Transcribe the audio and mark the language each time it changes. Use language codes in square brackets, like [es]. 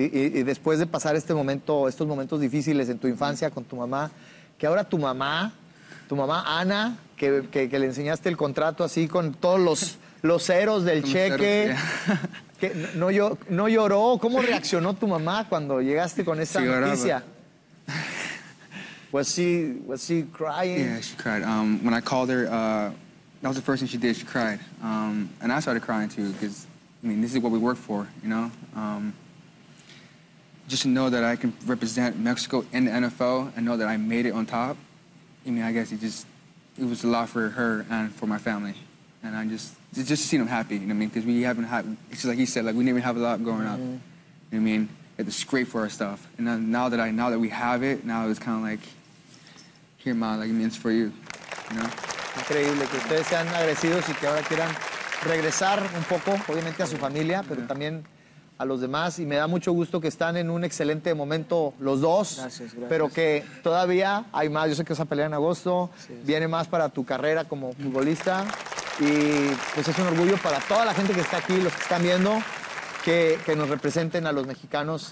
[es] Y después de pasar estos momentos difíciles en tu infancia con tu mamá, que ahora tu mamá Ana, que le enseñaste el contrato así con todos los ceros del cheque, que no lloró, ¿cómo reaccionó tu mamá cuando llegaste con esa noticia? [en] Was she crying? Yeah, she cried. When I called her, that was the first thing she did. She cried. And I started crying too, because I mean, this is what we work for, you know. Just to know that I can represent Mexico in the NFL and know that I made it on top. I mean, I guess it was a lot for her and for my family. And I just seen them happy, you know what I mean? Because we haven't had, it's just like he said, like we didn't even have a lot growing up. You know what I mean? We had to scrape for our stuff. And then now that we have it, now it's kind of like, here, Ma, like, I mean, it's for you, you know? [es] Increíble que ustedes sean agresivos y que ahora quieran regresar un poco, obviamente, a su familia, pero también a los demás, y me da mucho gusto que están en un excelente momento los dos. Gracias. Pero que todavía hay más. Yo sé que esa pelea en agosto viene más para tu carrera como futbolista, y pues es un orgullo para toda la gente que está aquí, los que están viendo, que nos representen a los mexicanos.